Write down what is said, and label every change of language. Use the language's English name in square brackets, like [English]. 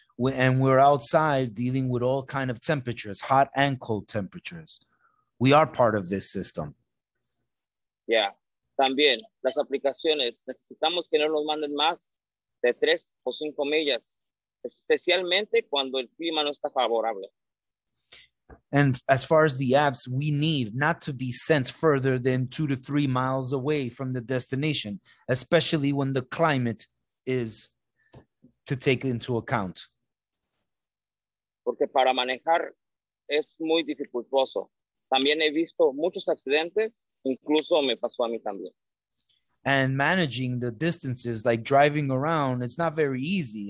[English] And we're outside dealing with all kind of temperatures, hot and cold temperatures. We are part of this system. [Spanish] Yeah, también las aplicaciones. Necesitamos que no nos manden más de 3 o 5 millas, especialmente cuando el clima no está favorable. [English] And as far as the apps, we need not to be sent further than 2 to 3 miles away from the destination, especially when the climate is to take into account? [Spanish] Porque para manejar es muy dificultoso. También he visto muchos accidentes, incluso me pasó a mí también. [English] And managing the distances, like driving around, it's not very easy.